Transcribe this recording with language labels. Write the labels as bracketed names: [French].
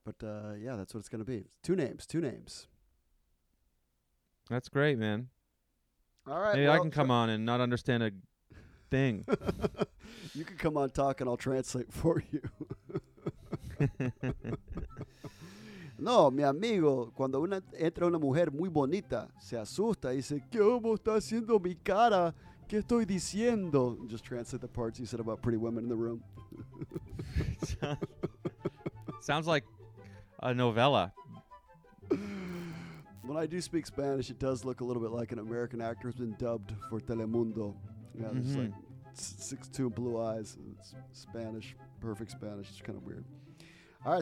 [English] But yeah, that's what it's going to be. Two names. That's great, man. All right. Maybe I can come on and not understand a thing. You can come on talk and I'll translate for you. [Spanish] No, mi amigo, cuando entra una mujer muy bonita, se asusta y dice, ¿qué homo está haciendo mi cara? ¿Qué estoy diciendo? [English] Just translate the parts you said about pretty women in the room. Sounds like a novella. When I do speak Spanish, it does look a little bit like an American actor has been dubbed for Telemundo. Yeah, mm-hmm. There's like 6'2 blue eyes. It's Spanish, perfect Spanish. It's kind of weird. All right,